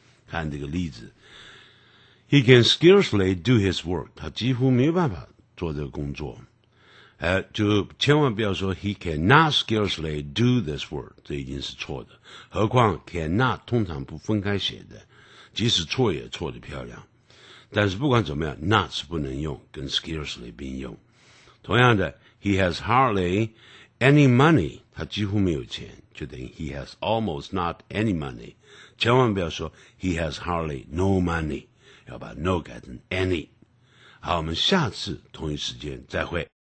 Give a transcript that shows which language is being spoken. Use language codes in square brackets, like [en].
[zh] 看这个例子 ， [en] He can scarcely do his work， [zh] 他几乎没有办法做这个工作。就千万不要说 [en] he cannot scarcely do this work， [zh] 这已经是错的。何况 cannot 通常不分开写的，即使错也错得漂亮。但是不管怎么样 ，not 是不能用，跟 scarcely 并用。同样的 ， [en] he has hardly any money， [zh] 他几乎没有钱，就等于 [en] he has almost not any money。 [zh] 千万不要说 [en] he has hardly no money， [zh] 要把 no 改成 any。好，我们下次同一时间再会。